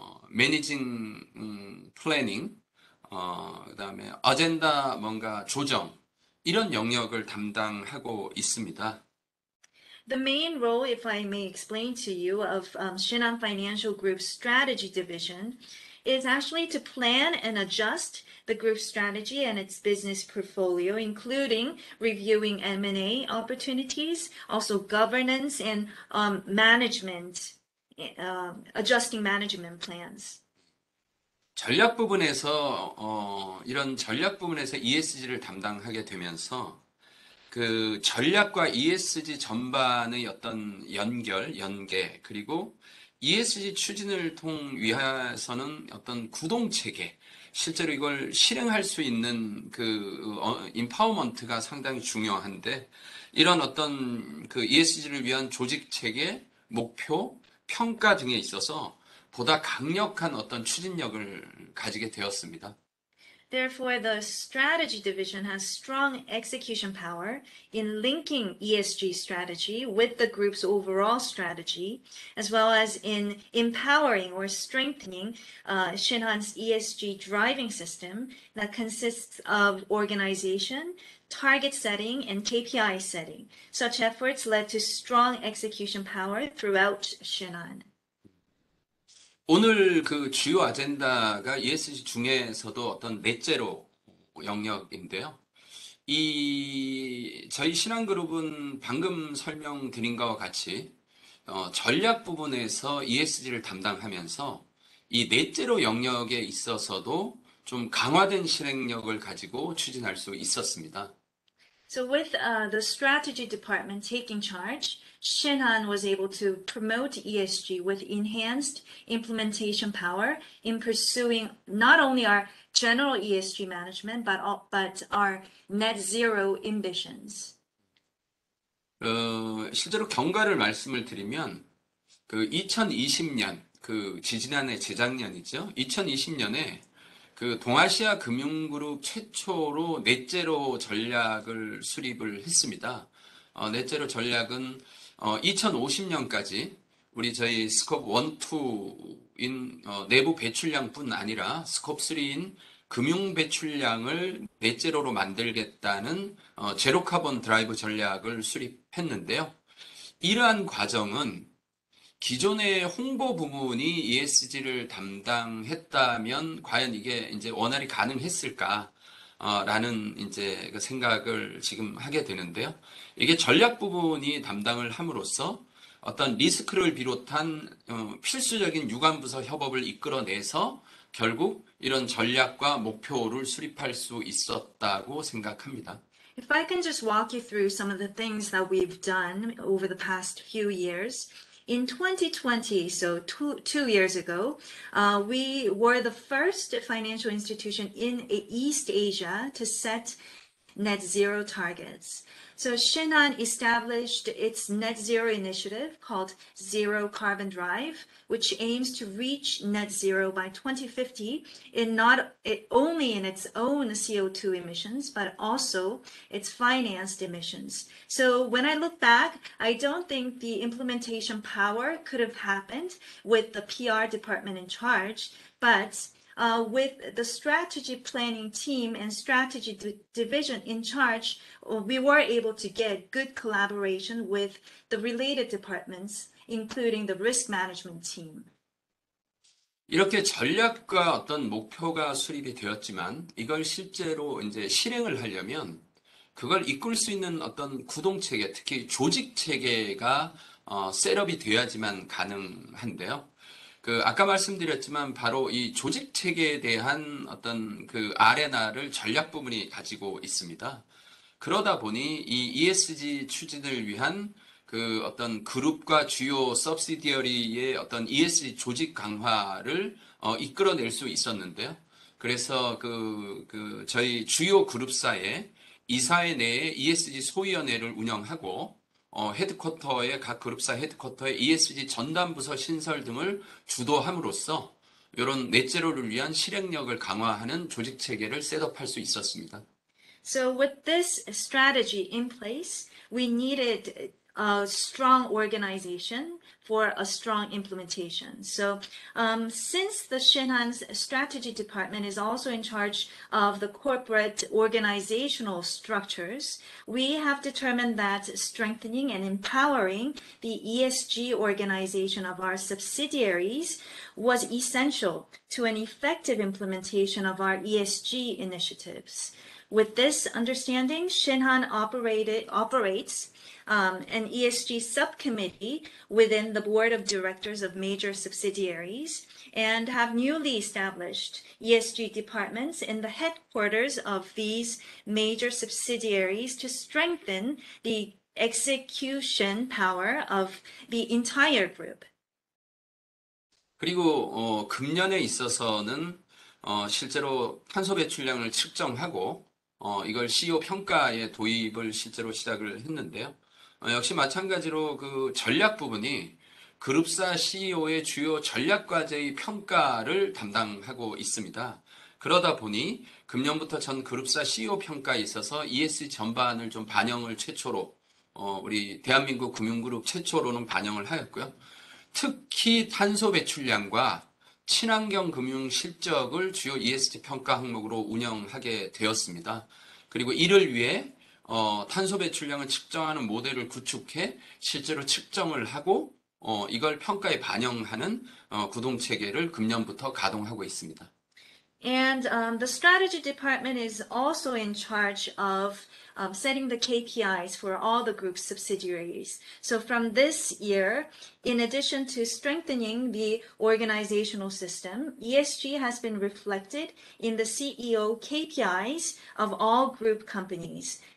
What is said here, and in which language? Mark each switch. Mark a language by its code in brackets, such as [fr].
[ko] 매니징 플래닝, 그다음에 어젠다 뭔가 조정 이런 영역을 담당하고 있습니다. [en] The main role, if I may explain to you, of Shinhan Financial Group's strategy division is actually to plan and adjust the group's strategy and its business portfolio, including reviewing M&A opportunities, also governance and management, adjusting management plans. [ko] 전략 부분에서 이런 전략 부분에서 ESG를 담당하게 되면서 전략과 ESG 전반의 어떤 연결, 연계, 그리고 ESG 추진을 위해서는 어떤 구동 체계, 실제로 이걸 실행할 수 있는 임파워먼트가 상당히 중요한데 이런 어떤 ESG를 위한 조직 체계, 목표, 평가 등에 있어서 보다 강력한 어떤 추진력을 가지게 되었습니다. [en] Therefore, the strategy division has strong execution power in linking ESG strategy with the group's overall strategy, as well as in empowering or strengthening Shinhan's ESG driving system that consists of organization, target setting, and KPI setting. Such efforts led to strong execution power throughout Shinhan. [ko] 오늘 주요 아젠다가 ESG 중에서도 어떤 넷제로 영역인데요. 저희 신한그룹은 방금 설명드린 것과 같이 전략 부분에서 ESG를 담당하면서 이 넷제로 영역에 있어서도 좀 강화된 실행력을 가지고 추진할 수 있었습니다. [en] So with the strategy department taking charge, Shinhan was able to promote ESG with enhanced implementation power in pursuing not only our general ESG management, but our net zero ambitions. [ko] 실제로 경과를 말씀을 드리면 그 2020년 그 지지난해 재작년이죠. 2020년에 그 동아시아 금융그룹 최초로 넷제로 전략을 수립을 했습니다. 넷제로 전략은 2050년까지 우리 저희 스코프 1,2인 내부 배출량뿐 아니라 스코프 3인 금융 배출량을 넷제로로 만들겠다는 제로 카본 드라이브 전략을 수립했는데요. 이러한 과정은 기존의 홍보 부문이 ESG를 담당했다면 과연 이게 이제 원활히 가능했을까라는 이제 그 생각을 지금 하게 되는데요. 이게 전략 부분이 담당을 함으로써 어떤 리스크를 비롯한 필수적인 유관 부서 협업을 이끌어내서 결국 이런 전략과 목표를 수립할 수 있었다고 생각합니다. [en] If I can just walk you through some of the things that we've done over the past few years. In 2020, so two years ago, we were the first financial institution in East Asia to set net zero targets. So Shinhan established its net zero initiative called Zero Carbon Drive, which aims to reach net zero by 2050 in not only in its own CO2 emissions, but also its financed emissions. So when I look back, I don't think the implementation power could have happened with the PR department in charge, but with the strategy planning team and strategy division in charge, we were able to get good collaboration with the related departments, including the risk management team. [ko] 이렇게 전략과 어떤 목표가 수립이 되었지만 이걸 실제로 이제 실행을 하려면 그걸 이끌 수 있는 어떤 구동 체계, 특히 조직 체계가 셋업이 되어야지만 가능한데요. 그 아까 말씀드렸지만 바로 이 조직 체계에 대한 어떤 그 아레나를 전략 부분이 가지고 있습니다. 그러다 보니 이 ESG 추진을 위한 그 어떤 그룹과 주요 서브시디어리의 어떤 ESG 조직 강화를 이끌어낼 수 있었는데요. 그래서 그 저희 주요 그룹사의 이사회 내에 ESG 소위원회를 운영하고 헤드쿼터의 각 그룹사 헤드쿼터의 ESG 전담 부서 신설 등을 주도함으로써 이런 넷제로를 위한 실행력을 강화하는 조직 체계를 셋업할 수 있었습니다. [en] So with this strategy in place, we needed a strong organization for a strong implementation. So since the Shinhan's strategy department is also in charge of the corporate organizational structures, we have determined that strengthening and empowering the ESG organization of our subsidiaries was essential to an effective implementation of our ESG initiatives. With this understanding, Shinhan operates an ESG subcommittee within the board of directors of major subsidiaries and have newly established ESG departments in the headquarters of these major subsidiaries to strengthen the execution power of the entire group. [ko] 그리고 금년에 있어서는 실제로 탄소 배출량을 측정하고 이걸 CEO 평가에 도입을 실제로 시작을 했는데요. 역시 마찬가지로 그 전략 부분이 그룹사 CEO의 주요 전략 과제의 평가를 담당하고 있습니다. 그러다 보니 금년부터 전 그룹사 CEO 평가에 있어서 ESG 전반을 좀 반영을 최초로 우리 대한민국 금융그룹 최초로는 반영을 하였고요. 특히 탄소 배출량과 친환경 금융 실적을 주요 ESG 평가 항목으로 운영하게 되었습니다. 그리고 이를 위해 탄소 배출량을 측정하는 모델을 구축해 실제로 측정을 하고 이걸 평가에 반영하는 구동 체계를 금년부터 가동하고 있습니다. [en] And the strategy department is also in charge of setting the KPIs for all the group subsidiaries. So from this year, in addition to strengthening the organizational system, ESG has been reflected in the CEO KPIs of all group companies.